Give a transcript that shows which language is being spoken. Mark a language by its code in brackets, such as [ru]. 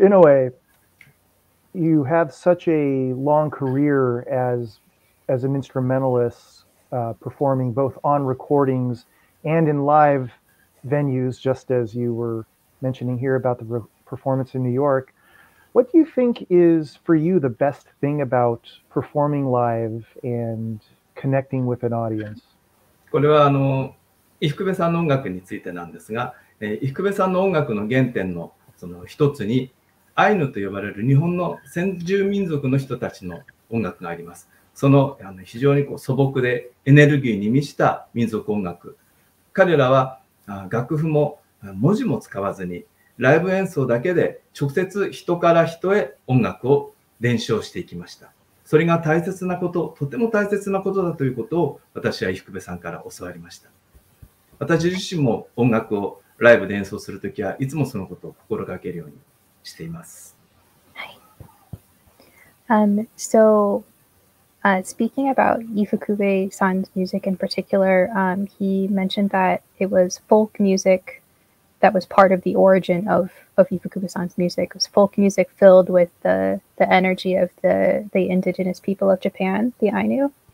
[en] Inoue, you have such a long career as an instrumentalist, performing both on recordings and in live venues, just as you were mentioning here about the performance in New York. What do you think is, for you, the best thing about performing live and connecting with an audience? [ja] これはイフクベさんの音楽についてなんですが、イフクベさんの音楽の原点のその一つにアイヌと呼ばれる日本の先住民族の人たちの音楽があります。その非常にこう素朴でエネルギーに満ちた民族音楽。彼らは楽譜も文字も使わずにライブ演奏だけで直接人から人へ音楽を伝承していきました。それが大切なこと、とても大切なことだということを私はイフクベさんから教わりました。私自身も音楽をライブで演奏するときはいつもそのことを心がけるようにしています。はい。 [en] Speaking about Ifukube-san's music in particular, he mentioned that it was folk music that was part of the origin of Ifukube-san's music. It was folk music filled with the energy of the indigenous people of Japan, the Ainu.